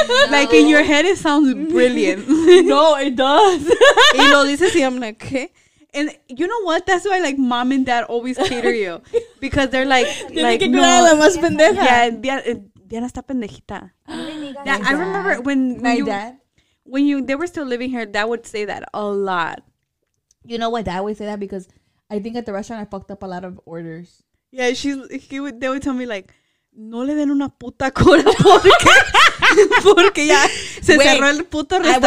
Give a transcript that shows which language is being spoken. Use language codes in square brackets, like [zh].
[en] Like, in your head it sounds brilliant. No, it does. [es] Y lo dices y [en] I'm like, [es] ¿qué? [en] And you know what? That's why, like, mom and dad always cater you. Because they're like, no. [es] Tiene que cuidar a la más pendeja. Diana está pendejita. [en] I remember when they were still living here, dad would say that a lot. You know what? Dad would say that because I think at the restaurant I fucked up a lot of orders. Yeah, they would tell me like, [es] no le den una puta cola porque, porque ya se cerró el puto restaurante.